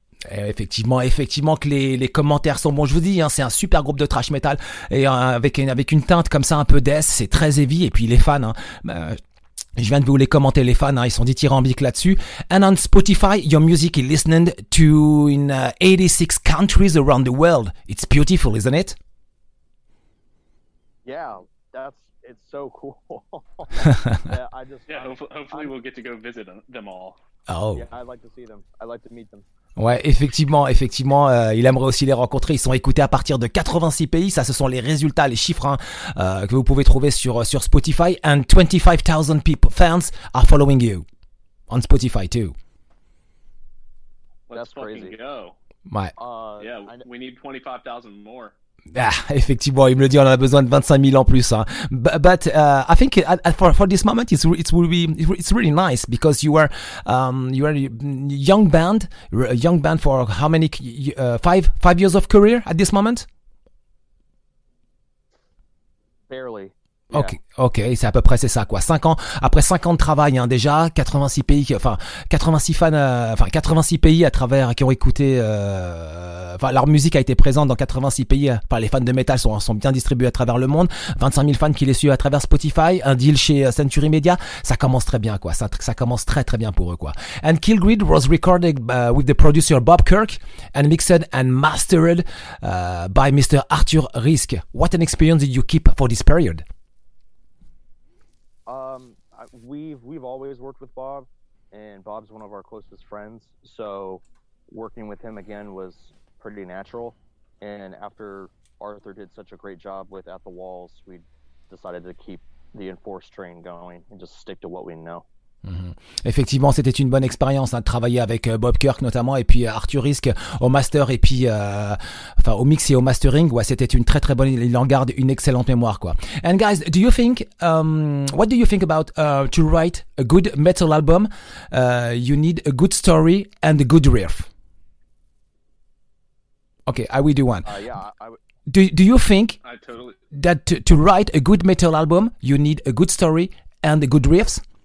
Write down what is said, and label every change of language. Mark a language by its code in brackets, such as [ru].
[fr] Effectivement que les commentaires sont bons, je vous dis, hein, c'est un super groupe de thrash metal et avec une teinte comme ça un peu death, c'est très heavy et puis les fans, hein, je viens de vous les commenter les fans, hein, ils sont dithyrambiques là-dessus. [en] And on Spotify, your music is listened to in 86 countries around the world. It's beautiful, isn't it? Yeah, it's so cool. hopefully we'll get to go visit them all. Oh. Yeah, I'd like to see them. I'd like to meet them. [fr] Ouais, effectivement, il aimerait aussi les rencontrer. Ils sont écoutés à partir de 86 pays. Ça, ce sont les résultats, les chiffres, hein, que vous pouvez trouver sur Spotify. [en] And 25,000 people fans are following you on Spotify too. Let's fucking crazy. Go. Ouais. We need 25,000 more. [fr] Ah, effectivement, il me le dit, on a besoin de 25 000 en plus, hein. [en] But I think for this moment, it's really nice because you are a young band for how many, five years of career at this moment? Barely. Yeah. [fr] Ok, c'est à peu près c'est ça quoi. 5 ans après 5 ans de travail, hein, déjà 86 pays, enfin 86 fans, enfin 86 pays à travers qui ont écouté, enfin leur musique a été présente dans 86 pays. Enfin les fans de métal sont bien distribués à travers le monde. 25 000 fans qui les suivent à travers Spotify, un deal chez Century Media, ça commence très bien quoi. Ça commence très très bien pour eux quoi. [en] And Killgrid was recorded with the producer Bob Kirk and mixed and mastered by Mr. Arthur Risk. What an experience did you keep for this period? We've always worked with Bob, and Bob's one of our closest friends, so working with him again was pretty natural. And after Arthur did such a great job with At the Walls, we decided to keep the Enforce train going and just stick to what we know. [fr] Effectivement, c'était une bonne expérience, hein, de travailler avec Bob Kirk notamment et puis Arthur Risk au master et puis enfin au mix et au mastering. Ouais, c'était une très très bonne. Il en garde une excellente mémoire, quoi. [en] And guys, do you think what do you think about to write a good metal album? You need a good story and a good riff. Okay, I will do one. To write a good metal album, you need a good story and a good riffs?